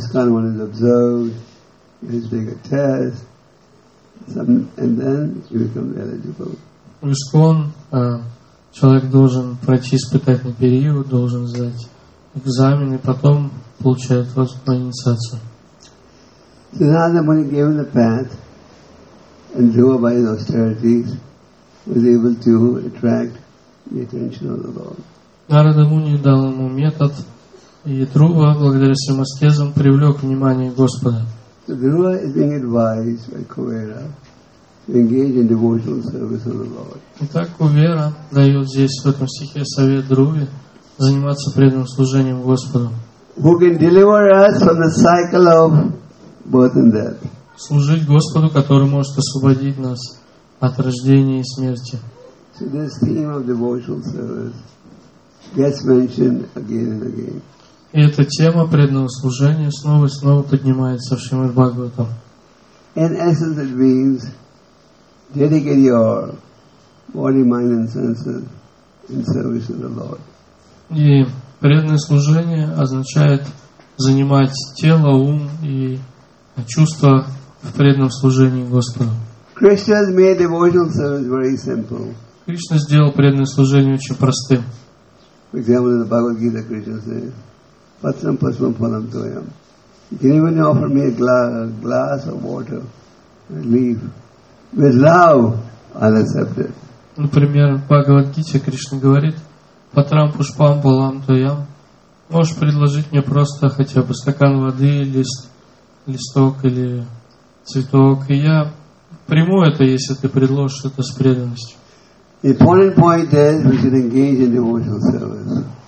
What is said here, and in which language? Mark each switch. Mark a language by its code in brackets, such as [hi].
[ru] В ИСККОН человек должен пройти испытательный период, должен сдать экзамен, и потом получает вас по инициации. [en] So Narada Muni gave him the path, and Dhruva by his austerities was able to attract the attention of the Lord. [ru] Narada Muni дал ему метод, и Dhruva благодаря своим аскезам привлек внимание Господа. [en] So Dhruva is being advised by Kuvera to engage in devotional service of the Lord. [ru] Итак, Кувера дает здесь в этом стихе совет Друве заниматься преданным служением Господу. [en] Who can deliver us from the cycle of birth and death? [ru] Служить Господу, который может освободить нас от рождения и смерти. [en] So this theme of devotional service gets mentioned again and again. [ru] И эта тема преданного служения снова и снова поднимается в Шримад Бхагаватам. [en] In essence, it means dedicate your body, mind, and senses in service to the Lord. [ru] Преданное служение означает занимать тело, ум и чувства в преданном служении Господу. Кришна сделал преданное служение очень простым. [en] For example, in the Bhagavad Gita, Krishna says, [sa] "Patram pasmam phalam toyam." [en] You can even offer me a glass of water, a leaf. With love, I'll accept it. [ru] Например, в Бхагавад Гите Кришна говорит, [sa] Патрам пушпам палам тоям. [ru] Можешь предложить мне просто хотя бы стакан воды, листок или цветок, и я приму это, если ты предложишь это с преданностью. [en] The important point is we should engage in devotional service.